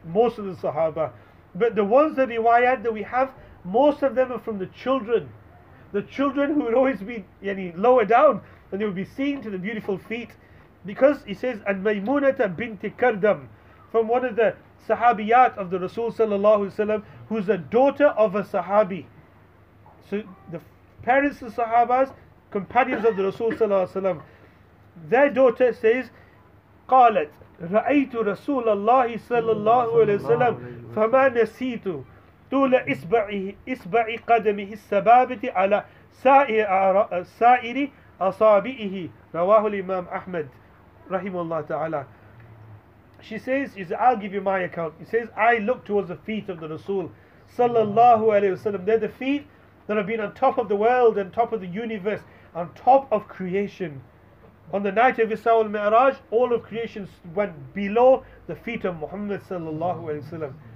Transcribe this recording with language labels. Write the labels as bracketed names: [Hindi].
[English] Most of the Sahaba. But the ones that riwayat that we have, most of them are from the children. The children who would always be lower down and they would be seeing to the beautiful feet. Because he says, and Maymunata binti Kardam, from one of the Sahabiyat of the Rasul sallallahu alayhi wa sallam, who's a daughter of a Sahabi. So the parents of Sahabas, companions of the Rasul sallallahu alayhi wa sallam, their daughter says, [Arabic] قالت رأيت رسول الله صلى الله عليه وسلم فما نسيت طول إصبع قدمه السبابة على سائر أصابعه رواه الإمام أحمد رحمه الله تعالى. [English] She says, I'll give you my account. He says, I look towards the feet of the Rasul صلى الله عليه وسلم. They're the feet that have been on top of the world, on top of the universe, on top of creation. On the night of Isra al-Mi'raj, all of creation went below the feet of Muhammad sallallahu alayhi wa sallam.